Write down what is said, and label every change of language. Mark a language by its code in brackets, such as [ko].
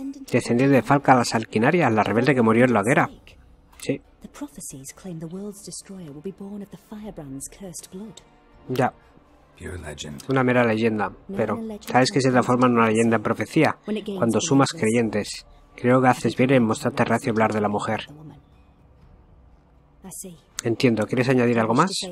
[es] Descendiente de Falca a las Alquinarias, la rebelde que murió en la hoguera. Sí. [en] The prophecies claim the world's destroyer will be born of the Firebrand's cursed blood. [es] Ya. Una mera leyenda, pero sabes que se transforma en una leyenda en profecía cuando sumas creyentes. Creo que haces bien en mostrarte reacio a hablar de la mujer. Entiendo. ¿Quieres añadir algo más?